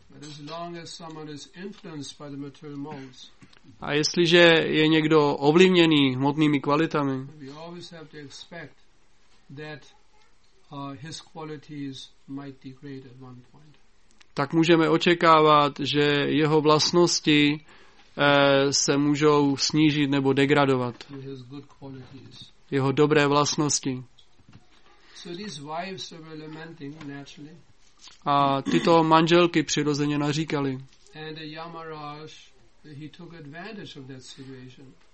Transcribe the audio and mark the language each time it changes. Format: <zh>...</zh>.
<en>As long as someone is influenced by the material modes.</en> <cs>A jestliže je někdo ovlivněný hmotnými kvalitami,</cs> <en>we always have to expect that his qualities might degrade at one point.</en> <cs>Tak můžeme očekávat, že jeho vlastnosti se můžou snížit nebo degradovat.</cs> <en>His good qualities.</en> <cs>Jeho dobré vlastnosti.</cs> <en>So these wives were lamenting naturally.</en> <cs>A tyto manželky přirozeně naříkali.</cs> <en>And Yamaraj, he took advantage of that situation.</en>